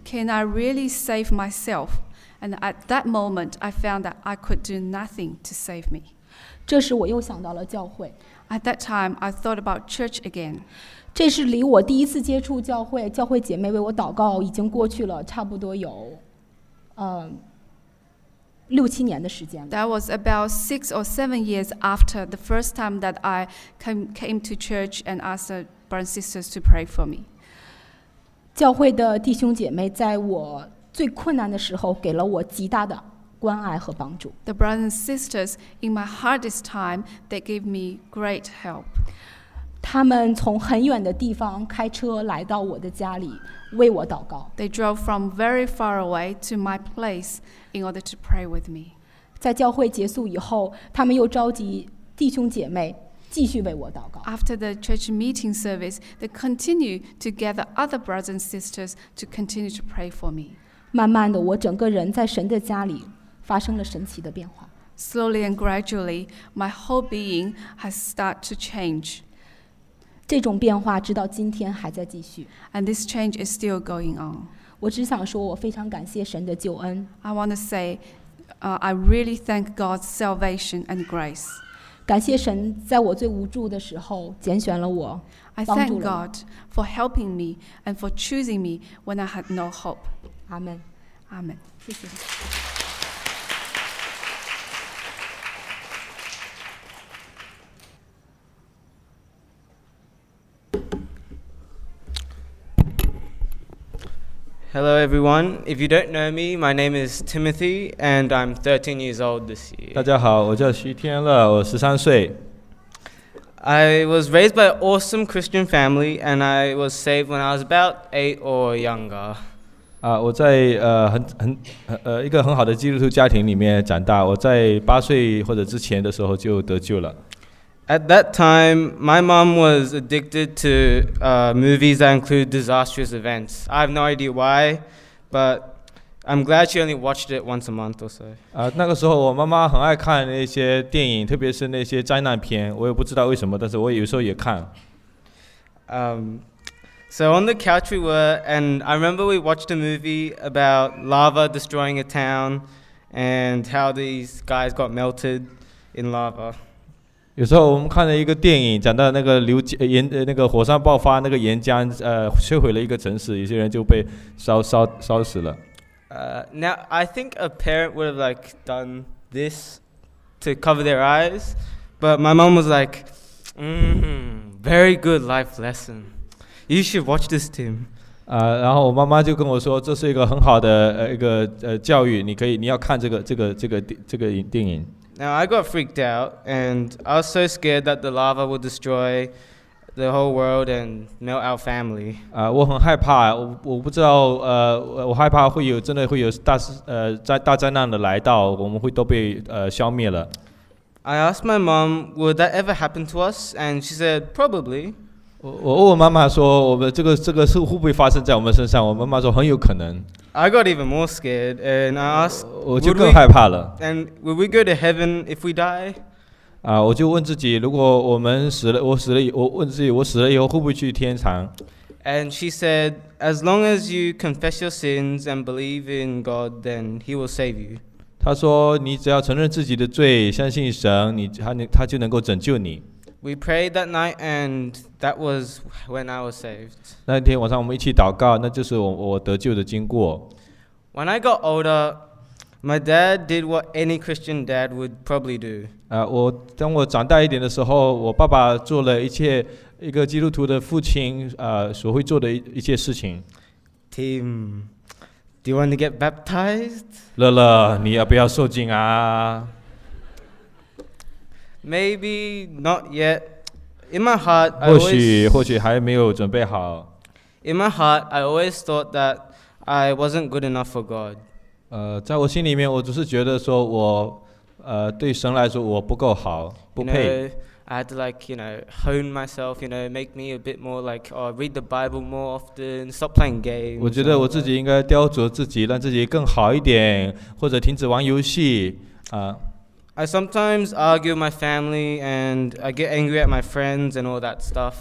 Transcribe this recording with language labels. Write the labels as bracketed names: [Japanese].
[English] Can I really save myself? And at that moment I found that I could do nothing to save me. [Chinese] 这时我又想到了教会。 [English] At that time I thought about church again. [Chinese] 这是离我第一次接触教会，教会姐妹为我祷告已经过去了差不多有六七年的时间。 [English] That was about 6 or 7 years after the first time that I came to church and asked the brothers and sisters to pray for me. [Chinese] 教会的弟兄姐妹在我最困难的时候给了我极大的关爱和帮助。 [English] The brothers and sisters in my hardest time, they gave me great help. [Chinese] 他们从很远的地方开车来到我的家里为我祷告。 [English] They drove from very far away to my place in order to pray with me. [Chinese] 在教会结束以后，他们又召集弟兄姐妹继续为我祷告。 [English] After the church meeting service, they continue to gather other brothers and sisters to continue to pray for me. [Chinese] 慢慢的，我整个人在神的家里发生了神奇的变化。 [English] Slowly and gradually, my whole being has started to change. [Chinese] 这种变化直到今天还在继续。 [English] And this change is still going on. [Chinese] 我只想说，我非常感谢神的救恩。 [English] I want to say, I really thank God's salvation and grace. [Chinese] 感谢神在我最无助的时候拣选了我，帮助了我。 [English] I thank God for helping me and for choosing me when I had no hope. Amen. Amen. [Chinese] 谢谢。 [English] Hello, everyone. If you don't know me, my name is Timothy, and I'm 13 years old this year. [Chinese] 大家好，我叫徐天乐，我13岁。 [English] I was raised by an awesome Christian family, and I was saved when I was about 8 or younger. [Chinese] 我在一个很好的基督徒家庭里面长大，我在八岁或者之前的时候就得救了。 [English] At that time, my mom was addicted to movies that include disastrous events. I have no idea why, but I'm glad she only watched it once a month or so. [Chinese] 那个时候我妈妈很爱看那些电影，特别是那些灾难片。我也不知道为什么，但是我有时候也看。 [English] So on the couch we were, and I remember we watched a movie about lava destroying a town and how these guys got melted in lava. [Chinese] 有时候我们看了一个电影，讲到那个流岩、那个火山爆发，那个岩浆摧毁了一个城市，有些人就被烧死了。 [English] Now I think a parent would have like done this to cover their eyes, but my mom was like, very good life lesson. You should watch this, Tim. [Chinese] 然后我妈妈就跟我说，这是一个很好的一个教育，你要看这个电影。 [English] Now I got freaked out, and I was so scared that the lava would destroy the whole world and melt our family. [Chinese] 我很害怕，我不知道，我害怕会有真的会有大灾难的来到，我们会都被消灭了。 [English] I asked my mom, "Would that ever happen to us?" And she said, "Probably." [Chinese] 我问妈妈说，我们这个是会不会发生在我们身上？我妈妈说很有可能。 [English] I got even more scared, and I asked, [Chinese] 我就更害怕了。 [English] And will we go to heaven if we die? [Chinese] 我就问自己，如果我们死了，我问自己，我死了以后会不会去天堂？ [English] And she said, as long as you confess your sins and believe in God, then He will save you. [Chinese] 她说，你只要承认自己的罪，相信神，他就能够拯救你。 [English] We prayed that night, and that was when I was saved. [Chinese] 那天晚上我们一起祷告，那就是我得救的经过。 [English] When I got older, my dad did what any Christian dad would probably do. [Chinese] 当我长大一点的时候，我爸爸做了一切一个基督徒的父亲所会做的一切事情。 [English] Tim, do you want to get baptized? [Chinese] 乐乐，你要不要受浸啊？ [English] Maybe not yet. In my heart, [Chinese] 或许还没有准备好。 [English] In my heart, I always thought that I wasn't good enough for God. [Chinese] 在我心里面，我只是觉得说我，对神来说我不够好，不配。 [English] You know, I had to like, you know, hone myself, you know, make me a bit more like, or read the Bible more often, stop playing games. [Chinese] 我觉得我自己应该雕琢自己，让自己更好一点，或者停止玩游戏， [English] I sometimes argue with my family, and I get angry at my friends and all that stuff.